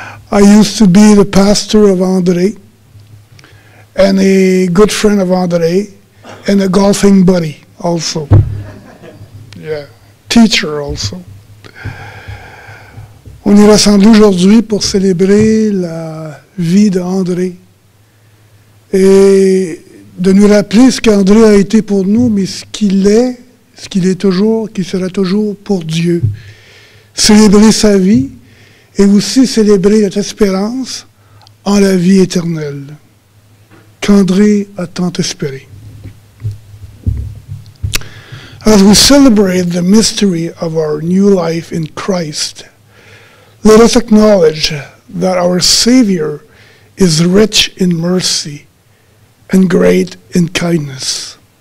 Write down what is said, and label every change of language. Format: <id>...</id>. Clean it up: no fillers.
<en>I used to be the pastor of André and a good friend of André and a golfing buddy also. Yeah, teacher also.</en> <fr>On est rassemblés aujourd'hui pour célébrer la vie d'André et de nous rappeler ce qu'André a été pour nous, mais ce qu'il est toujours, qu'il sera toujours pour Dieu. Célébrer sa vie et aussi célébrer notre espérance en la vie éternelle qu'André a tant espéré.</fr> <en>As we celebrate the mystery of our new life in Christ, let us acknowledge that our Savior is rich in mercy and great in kindness.</en>